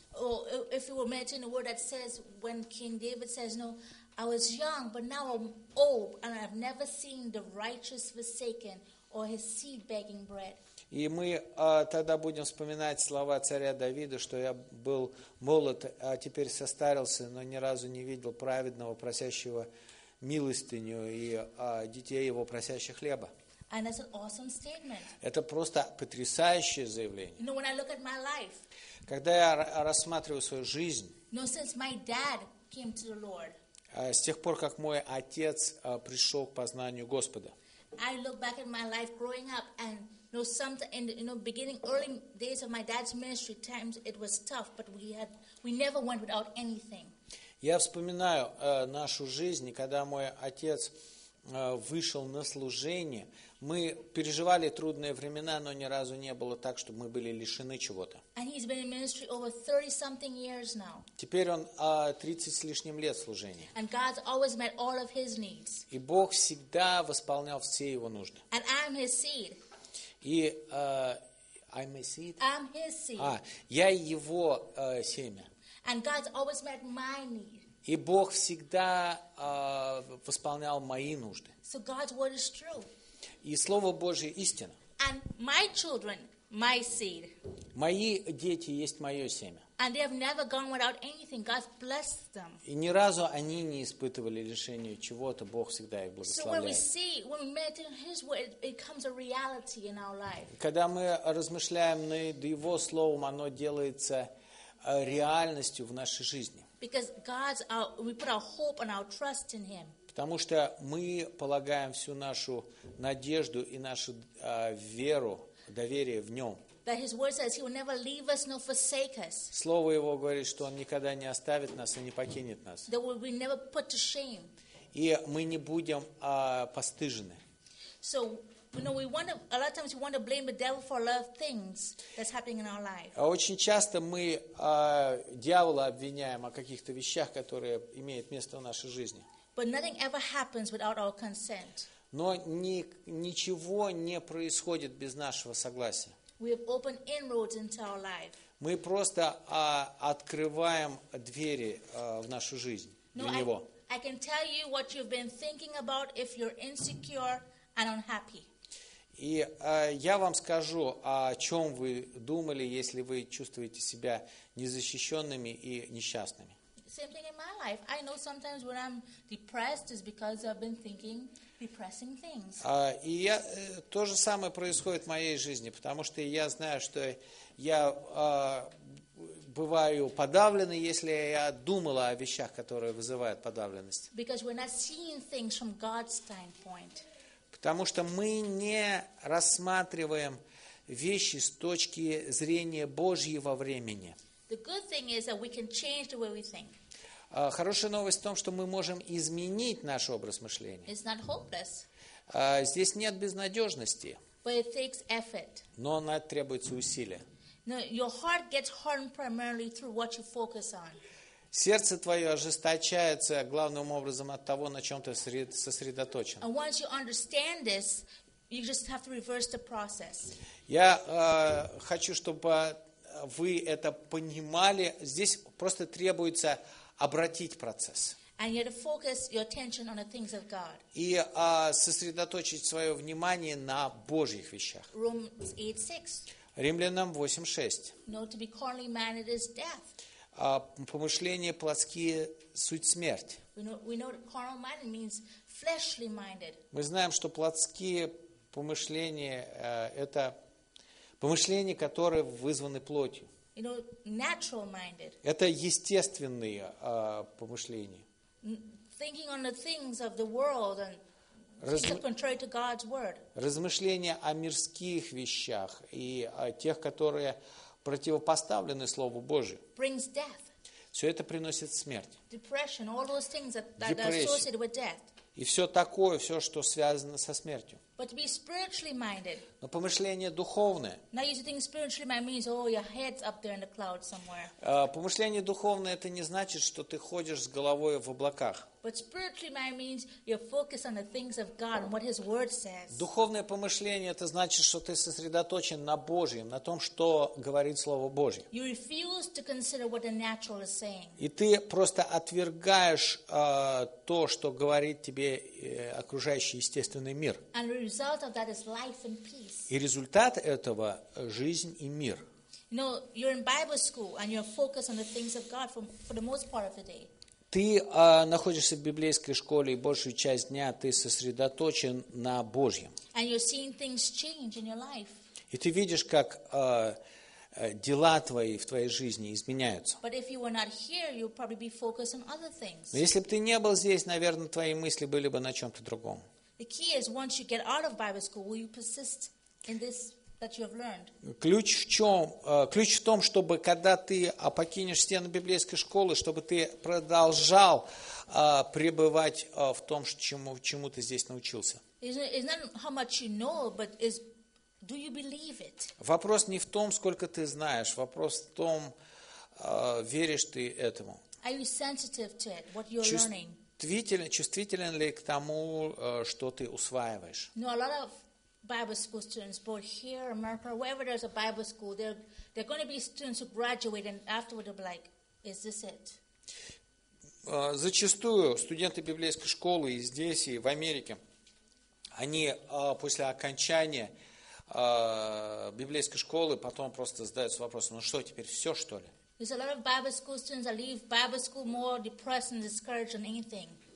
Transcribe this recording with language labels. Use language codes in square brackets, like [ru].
[en] Oh, if we were meditating on the word that says, when King David says, you know, I was young, but now I'm old, and I've never seen the righteous forsaken or his seed begging bread. [ru] И мы тогда будем вспоминать слова царя Давида, что я был молод, а теперь состарился, но ни разу не видел праведного, просящего милостыню, и детей его, просящих хлеба. [en] And that's an awesome statement. [ru] Это просто потрясающее заявление. [en] You know, when I look at my life, [ru] когда я рассматриваю свою жизнь, [en] you know, since my dad came to the Lord, [ru] с тех пор, как мой отец пришел к познанию Господа, [en] I look back at my life growing up, and know, something in the, you know, beginning early days of my dad's ministry times, it was tough, but we never went without anything. [ru] Я вспоминаю нашу жизнь, когда мой отец вышел на служение. Мы переживали трудные времена, но ни разу не было так, чтобы мы были лишены чего-то. [en] And he's been in ministry over 30-something years now. [ru] Теперь он 30 с лишним лет служения. [en] And God's always met all of his needs. [ru] И Бог всегда восполнял все его нужды. [en] And I'm his seed. И I'm his seed. I'm his seed. [ru] А, я его семя. [en] And God's always met my needs. [ru] И Бог всегда восполнял мои нужды. [en] So God's word is true. [ru] И Слово Божье истина. [en] And my children, my seed. [ru] Мои дети есть мое семя. [en] And they have never gone without anything. God's blessed them. [ru] И ни разу они не испытывали лишения чего-то. Бог всегда их благословляет. [en] So when we see, when we meditate on His word, it becomes a reality in our life. [ru] Когда мы размышляем над Его словом, оно делается реальностью в нашей жизни. [en] Because God's, we put our hope and our trust in Him. [ru] Потому что мы полагаем всю нашу надежду и нашу веру, доверие в Нем. [en] That His word says He will never leave us nor forsake us. [ru] Слово Его говорит, что Он никогда не оставит нас и не покинет нас. [en] That we will never put to shame. [ru] И мы не будем постыжены. [en] So, you know, we want to, a lot of times we want to blame the devil for a lot of things that's happening in our life. [ru] Очень часто мы дьявола обвиняем о каких-то вещах, которые имеют место в нашей жизни. [en] But nothing ever happens without our consent. [ru] Но ничего не происходит без нашего согласия. [en] We have opened inroads into our life. [ru] Мы просто открываем двери в нашу жизнь для него. [en] I can tell you what you've been thinking about if you're insecure and unhappy. [ru] И я вам скажу, о чем вы думали, если вы чувствуете себя незащищенными и несчастными. [en] Same thing in my life. I know sometimes when I'm depressed, it's because I've been thinking depressing things. [ru] И я то же самое происходит в моей жизни, потому что я знаю, что я бываю подавленный, если я думала о вещах, которые вызывают подавленность. [en] Because we're not seeing things from God's standpoint. [ru] Потому что мы не рассматриваем вещи с точки зрения Божьего времени. [en] The good thing is that we can change the way we think. [ru] Хорошая новость в том, что мы можем изменить наш образ мышления. [en] It's not hopeless. [ru] Здесь нет безнадежности. [en] But it takes effort. [ru] Но она требуется усилия. [en] No, your heart gets hardened primarily through what you focus on. [ru] Сердце твое ожесточается главным образом от того, на чем ты сосредоточен. [en] And once you understand this, you just have to reverse the process. [ru] Я хочу, чтобы вы это понимали. Здесь просто требуется обратить процесс. [en] And you have to focus your attention on the things of God. [ru] И сосредоточить свое внимание на Божьих вещах. [en] Romans 8:6. [ru] Римлянам 8:6. [en] No, to be carnally minded is death. [ru] Помышления плотские – суть смерть. [en] We know that carnal minded means fleshly minded. [ru] Мы знаем, что плотские помышления – это помышления, которые вызваны плотью. [en] You know, natural minded. [ru] Это естественные помышления. [en] Thinking on the things of the world and things contrary to God's word. [ru] Размышления о мирских вещах и о тех, которые противопоставлены Слову Божию. [en] Brings death. [ru] Все это приносит смерть. [en] Depression, all those things that are associated with death. [ru] И все такое, все, что связано со смертью. [en] But to be spiritually minded. [ru] Но помышление духовное. [en] Now you think spiritually minded means, oh, your head's up there in the cloud somewhere. [ru] Помышление духовное это не значит, что ты ходишь с головой в облаках. [en] But spiritually minded means you're focused on the things of God and what His Word says. [ru] Духовное помышление это значит, что ты сосредоточен на Божьем, на том, что говорит Слово Божье. [en] You refuse to consider what the natural is saying. [ru] И ты просто отвергаешь то, что говорит тебе окружающий естественный мир. [en] And the result of that is life and peace. [ru] И результат этого – жизнь и мир. [en] You know, you're in Bible school, and you're focused on the things of God for the most part of the day. [ru] Ты находишься в библейской школе, и большую часть дня ты сосредоточен на Божьем. [en] And you're seeing things change in your life. [ru] И ты видишь, как дела твои в твоей жизни изменяются. [en] But if you were not here, you'd probably be focused on other things. [ru] Но если бы ты не был здесь, наверное, твои мысли были бы на чем-то другом. [en] The key is, once you get out of Bible school, will you persist in this that you have learned. [ru] Ключ в чем? Ключ в том, чтобы когда ты покинешь стены библейской школы, чтобы ты продолжал пребывать в том, чему ты здесь научился. [en] It's not how much you know, but is do you believe it? [ru] Вопрос не в том, сколько ты знаешь, вопрос в том, веришь ты этому. [en] Are you sensitive to it, what you're learning? [ru] Чувствителен ли к тому, что ты усваиваешь? [en] No, a lot of Bible school students, both here in America, wherever there's a Bible school, they're going to be students who graduate and afterward they'll be like, is this it? [ru] Зачастую студенты библейской школы и здесь, и в Америке, они после окончания библейской школы потом просто задаются вопросом, ну что, теперь все, что ли? [en] There's a lot of Bible school students that leave Bible school more depressed and discouraged than anything.